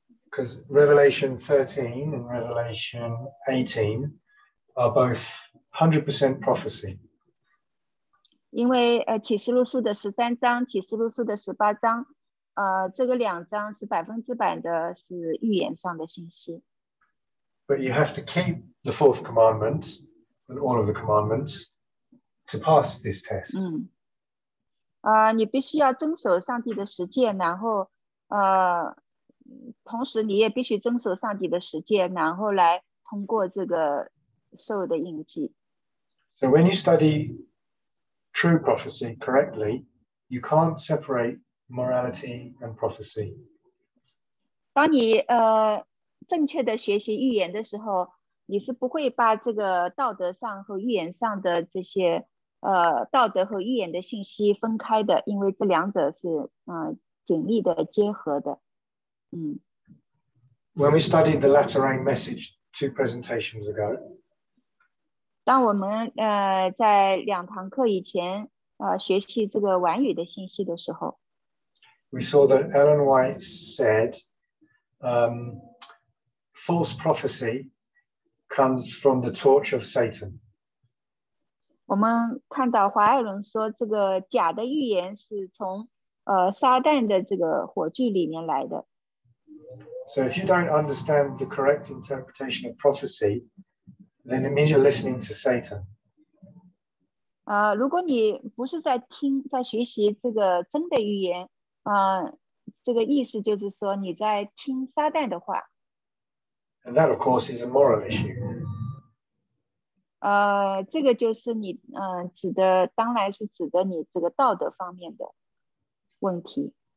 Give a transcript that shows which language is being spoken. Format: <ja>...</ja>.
<en>Because Revelation 13 and Revelation 18 are both 100% prophecy.</en> <zh>因为启示录书的13章，启示录书的18章。这个两章是100%的是预言上的信息。</zh> <en>But you have to keep the fourth commandment and all of the commandments to pass this test.</en> <zh>你必须要遵守上帝的十诫，然后同时你也必须遵守上帝的十诫，然后来通过这个受的印记。</zh> <en>So when you study true prophecy correctly, you can't separate morality and prophecy.</en> <zh>当你正确的学习预言的时候，你是不会把这个道德上和预言上的这些道德和预言的信息分开的，因为这两者是紧密的结合的。</zh> <en>When we studied the Latter Rain message two presentations ago,</en> <zh>当我们在两堂课以前学习这个晚语的信息的时候，</zh> <en>we saw that Ellen White said, false prophecy comes from the torch of Satan.</en> <zh>我们看到华艾伦说这个假的预言是从撒旦的这个火炬里面来的。</zh> <en>So if you don't understand the correct interpretation of prophecy, then it means you're listening to Satan.</en> <zh>如果你不是在听，在学习这个真的预言，这个意思就是说你在听撒旦的话。</zh> <en>And that, of course, is a moral issue.</en> <zh>这个就是你，指的，当然是指的你这个道德方面的问题。</zh>